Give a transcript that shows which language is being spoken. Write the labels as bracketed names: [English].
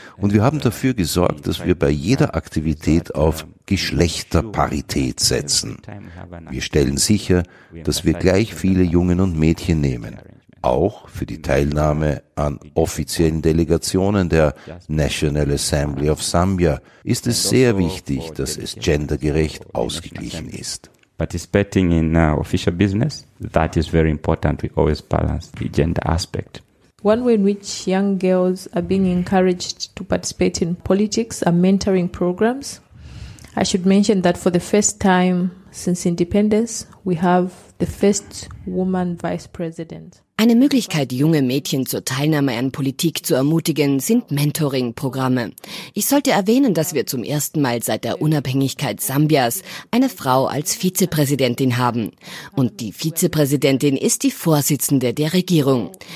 [German] Und wir haben dafür gesorgt, dass wir bei jeder Aktivität auf Geschlechterparität setzen. Wir stellen sicher, dass wir gleich viele Jungen und Mädchen nehmen. Auch für die Teilnahme an offiziellen Delegationen der National Assembly of Zambia ist es sehr wichtig, dass es gendergerecht ausgeglichen ist. [English] Participating in official business, that is very important. We always balance the gender aspect. One way in which young girls are being encouraged to participate in politics are mentoring programs. I should mention that for the first time since independence, we have the first woman vice president. [German] Eine Möglichkeit, junge Mädchen zur Teilnahme an Politik zu ermutigen, sind Mentoring-Programme. Ich sollte erwähnen, dass wir zum ersten Mal seit der Unabhängigkeit Sambias eine Frau als Vizepräsidentin haben. Und die Vizepräsidentin ist die Vorsitzende der Regierung.